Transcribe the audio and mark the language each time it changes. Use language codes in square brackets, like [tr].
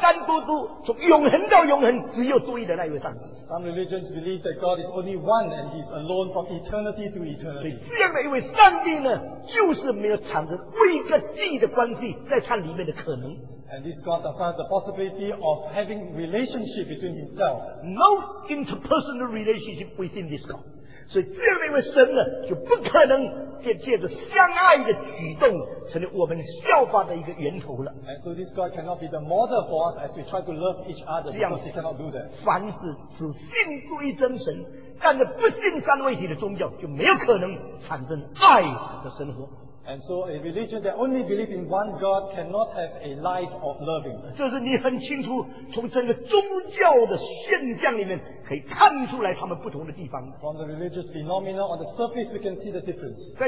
[zh] 有的宗教都相信神是独一的，孤苦伶仃，单单独独，从永恒到永恒，只有独一的那一位上帝。 [en] Some religions believe that God is only one and He's alone from eternity to eternity. [zh] 这样的一位上帝呢，就是没有产生位格记的关系，在它里面的可能。 [en] And this God does not have the possibility of having relationship between Himself. No interpersonal relationship within this God. [zh] 所以这样的一位神呢，就不可能借着相爱的举动，成为我们效法的一个源头了。 [en] And so this God cannot be the model for us as we try to love each other. [zh] 这样子，凡是只信独一真神，但是不信三位一体的宗教，就没有可能产生爱的生活。 [en] And so a religion that only believes in one God cannot have a life of loving. [zh] 这是你很清楚从整个宗教的现象里面可以看出来他们不同的地方。 [en] From the religious phenomena on the surface, we can see the difference.